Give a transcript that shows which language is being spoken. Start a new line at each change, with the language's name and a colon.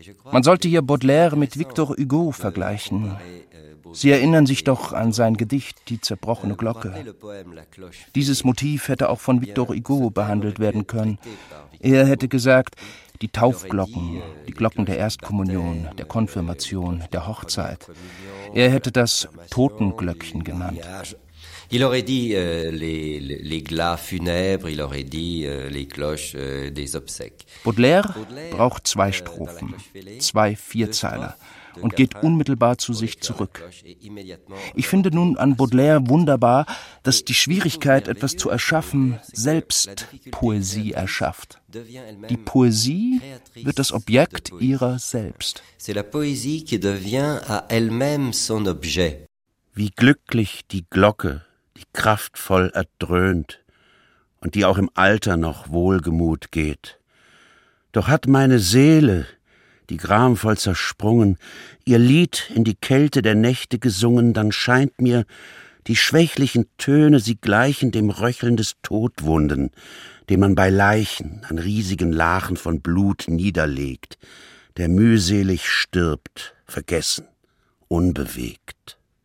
German: Man sollte hier Baudelaire mit Victor Hugo vergleichen. Sie erinnern sich doch an sein Gedicht »Die zerbrochene Glocke«. Dieses Motiv hätte auch von Victor Hugo behandelt werden können. Er hätte gesagt, die Taufglocken, die Glocken der Erstkommunion, der Konfirmation, der Hochzeit. Er hätte das Totenglöckchen genannt.
French: Il aurait dit les glas funèbres, il aurait dit les cloches des obsèques.
German: Baudelaire braucht zwei Strophen, zwei Vierzeiler und geht unmittelbar zu sich zurück. Ich finde nun an Baudelaire wunderbar, dass die Schwierigkeit, etwas zu erschaffen, selbst Poesie erschafft. Die Poesie wird das Objekt ihrer selbst.
French: C'est la poésie qui devient à elle-même son objet.
German: Wie glücklich die Glocke, die kraftvoll erdröhnt und die auch im Alter noch Wohlgemut geht. Doch hat meine Seele, die gramvoll zersprungen, ihr Lied in die Kälte der Nächte gesungen, dann scheint mir, die schwächlichen Töne, sie gleichen dem Röcheln des Todwunden, den man bei Leichen an riesigen Lachen von Blut niederlegt, der mühselig stirbt, vergessen, unbewegt.